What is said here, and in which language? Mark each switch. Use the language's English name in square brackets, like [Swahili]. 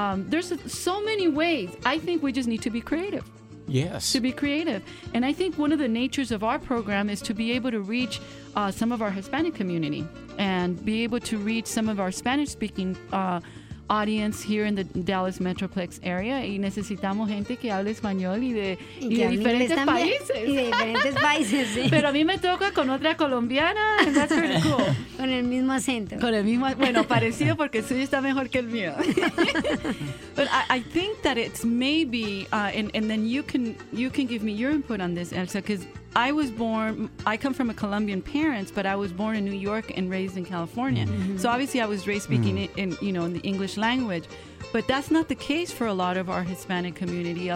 [English] There's so many ways. I think we just need to be creative. Yes. To be creative. And I think one of the natures of our program is to be able to reach some of our Hispanic community and be able to reach some of our Spanish-speaking audience here in the Dallas Metroplex area. [Spanish] Y necesitamos gente que hable español y de diferentes países. Pero a mí me toca con otra colombiana. [English] And that's pretty cool. [Spanish] Con el mismo acento. Parecido porque el suyo está mejor que el mío. [English] But I think that it's maybe, and then you can give me your input on this, Elsa, because I come from a Colombian parents, but I was born in New York and raised in California. Mm-hmm. So obviously I was raised speaking in the English language, but that's not the case for a lot of our Hispanic community.